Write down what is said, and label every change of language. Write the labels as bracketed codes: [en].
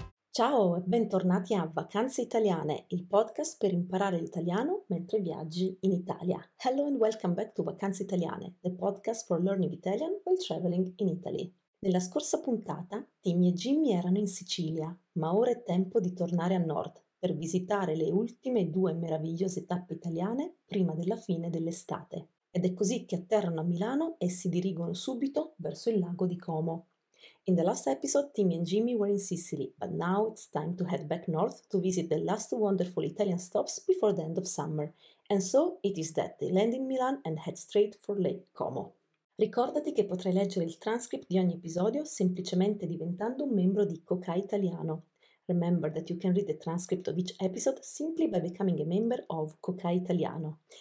[it] Ciao e bentornati a Vacanze Italiane, il podcast per imparare l'italiano mentre viaggi in Italia. [en] Hello and welcome back to Vacanze Italiane, the podcast for learning Italian while traveling in Italy. [it] Nella scorsa puntata, Timmy e Jimmy erano in Sicilia, ma ora è tempo di tornare a nord per visitare le ultime due meravigliose tappe italiane prima della fine dell'estate. Ed è così che atterrano a Milano e si dirigono subito verso il lago di Como. [en] In the last episode, Timmy and Jimmy were in Sicily, but now it's time to head back north to visit the last wonderful Italian stops before the end of summer. And so it is that they land in Milan and head straight for Lake Como. [it] Ricordati che potrai leggere il transcript di ogni episodio semplicemente diventando un membro di Coca Italiano. [en] Remember that you can read the transcript of each episode simply by becoming a member of Coca Italiano.